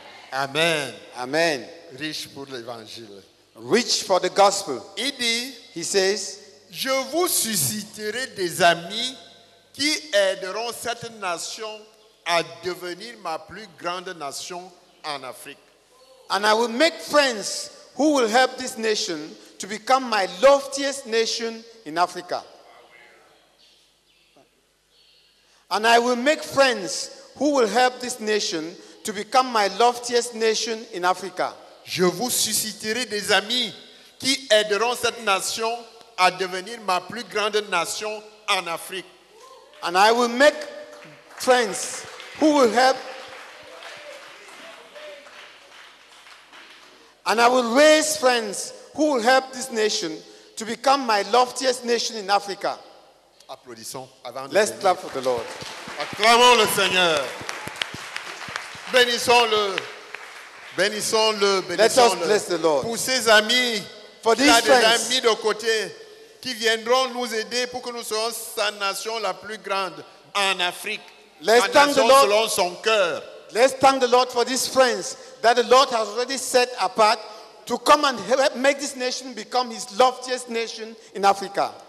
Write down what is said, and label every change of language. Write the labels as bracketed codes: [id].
[fr] Amen. Amen. Riche pour l'évangile. [en] Rich for the gospel. [fr] Il dit, [en] he says, [fr] je vous susciterai des amis qui aideront cette nation à devenir ma plus grande nation en Afrique. [en] And I will make friends who will help this nation to become my loftiest nation in Africa. And I will make friends who will help this nation to become my loftiest nation in Africa. [fr] Je vous susciterai des amis qui aideront cette nation à devenir ma plus grande nation en Afrique. [en] And I will make friends who will help. And I will raise friends who will help this nation to become my loftiest nation in Africa. [fr] Applaudissons avant de [en] Let's venir. Clap for the Lord. [fr] Acclamons le Seigneur. Bénissons le. Bénissons le. [en] Let us bless the Lord. [fr] Pour ses amis. [en] For these friends. [fr] Des amis de côté. Qui viendront nous aider pour que nous soyons sa nation la plus grande en Afrique. [en] Let's thank the Lord. [fr] Selon son cœur. [en] Let's thank the Lord for these friends that the Lord has already set apart to come and help make this nation become his loftiest nation in Africa.